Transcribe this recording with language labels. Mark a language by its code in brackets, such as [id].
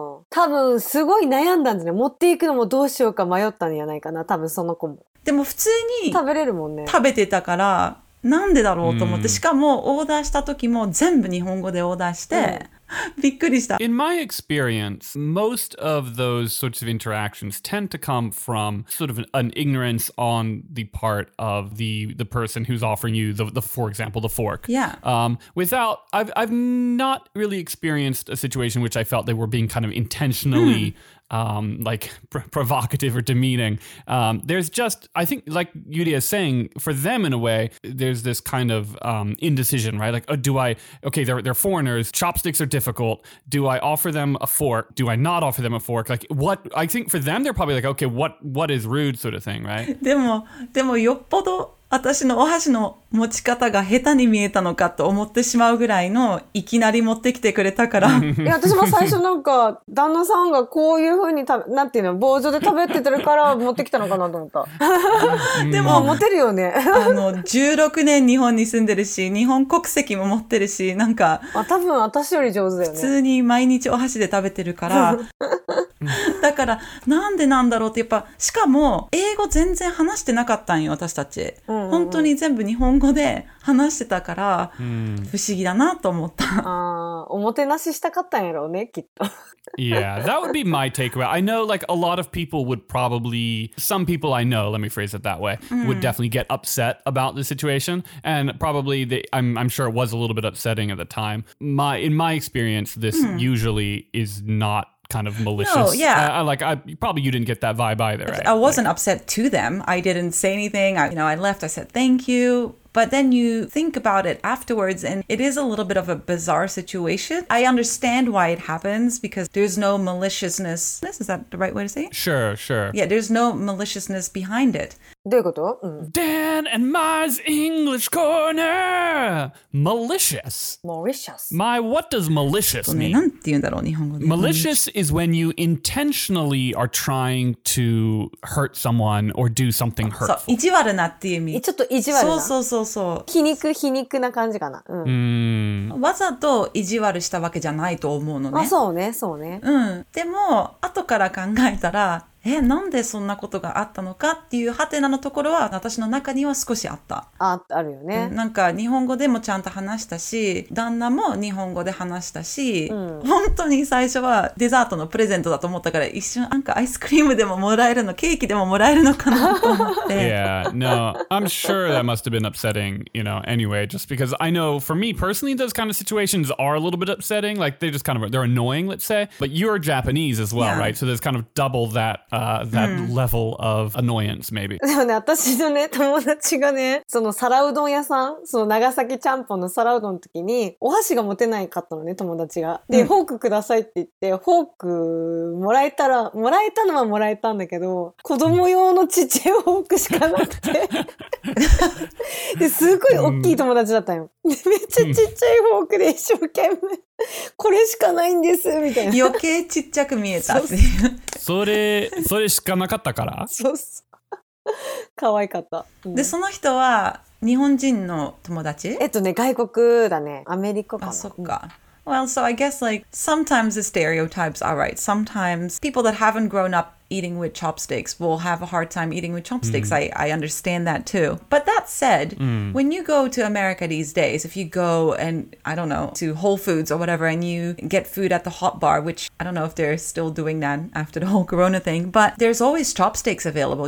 [ja] 多分すごい悩んだんですね。持っていくのもどうしようか迷ったんじゃないかな。多分その子も。でも普通に食べれるもんね。食べてたからなんでだろうと思って。しかもオーダーした時も全部日本語でオーダーして。びっくりした。 [en] In my experience, most of those sorts of interactions tend to come from sort of an ignorance on the part of the person who's offering you the for example, the fork. Yeah. I've not really experienced a situation which I felt they were being kind of intentionally provocative or demeaning. There's just, I think, like Yuria is saying, for them in a way, there's this kind of indecision, right? Like, they're foreigners. Chopsticks are difficult. Do I offer them a fork? Do I not offer them a fork? Like, what? I think for them, they're probably like, okay, what is rude, sort of thing, right? [ja] でもよっぽど私のお箸の持ち方が下手に見えたのかと思ってしまうぐらいのいきなり持ってきてくれたから。いや、私も最初なんか旦那さんがこういう風に、なんていうの、棒状で食べててるから持ってきたのかなと思った。でも、持てるよね。 16年日本に住んでるし、日本国籍も持ってるし、なんか。多分私より上手だよね。普通に毎日お箸で食べてるから。だからなんでなんだろうってやっぱしかも英語全然話してなかったんよ私たち、うんうん、本当に全部日本語で話してたから、うん、不思議だなと思ったあおもてなししたかったんやろうねきっと [en] Yeah, that would be my takeaway. I know like a lot of people would probably, some people I know, let me phrase it that way, would definitely get upset about the situation. And probably, I'm sure it was a little bit upsetting at the time. In my experience, this usually is not kind of malicious. No, yeah. Probably you didn't get that vibe either, right? I wasn't like, upset to them. I didn't say anything. I left. I said, thank you. But then you think about it afterwards, and it is a little bit of a bizarre situation. I understand why it happens, because there's no maliciousness. Is that the right way to say it? Sure, sure. Yeah, there's no maliciousness behind it. [ja] どういうこと? [en] Dan and Mai's English Corner! Malicious. Malicious. Mai, what does malicious mean? [ja] なんて言うんだろう、日本語で。 [en] Malicious is when you intentionally are trying to hurt someone or do something hurtful. [ja] そう、意地悪なっていう意味。ちょっと意地悪な。そうそうそう。そうそう皮肉皮肉な感じかな、うん、わざと意地悪したわけじゃないと思うのね、まあ、そうねそうね、うん、でも後から考えたらえなんでそんなことがあったのかっていうハテナのところは私の中には少しあったあるよね、うん、なんか日本語でもちゃんと話したし旦那も日本語で話したし、うん、本当に最初はデザートのプレゼントだと思ったから一瞬なんかアイスクリームでももらえるのケーキでももらえるのかなと思って [en] Yeah, no, I'm sure that must have been upsetting, you know, anyway, just because I know for me personally those kind of situations are a little bit upsetting, like they're just kind of, they're annoying, let's say, but you're Japanese as well, right? So there's kind of double thatthat level of annoyance, maybe. [ja] でもね、私のね、友達がね、その皿うどん屋さん、その長崎ちゃんぽんの皿うどんの時に、お箸が持てないかったのね、友達が。で、フォークくださいって言って、フォークもらえたのはもらえたんだけど、子供用のちっちゃいフォークしかなくて。ですごい大きい友達だったよ。で、めっちゃちっちゃいフォークで一生懸命。これしかないんですみたいな余計ちっちゃく見えたっていうそれしかなかったからそうっす可愛かった、うん、でその人は日本人の友達ね外国だねアメリカかなあそっか [en] Well so I guess like sometimes the stereotypes are right sometimes people that haven't grown upeating with chopsticks will have a hard time eating with chopsticks. I understand that too. But that said, when you go to America these days, if you go and, I don't know, to Whole Foods or whatever, and you get food at the hot bar, which I don't know if they're still doing that after the whole Corona thing, but there's always chopsticks available.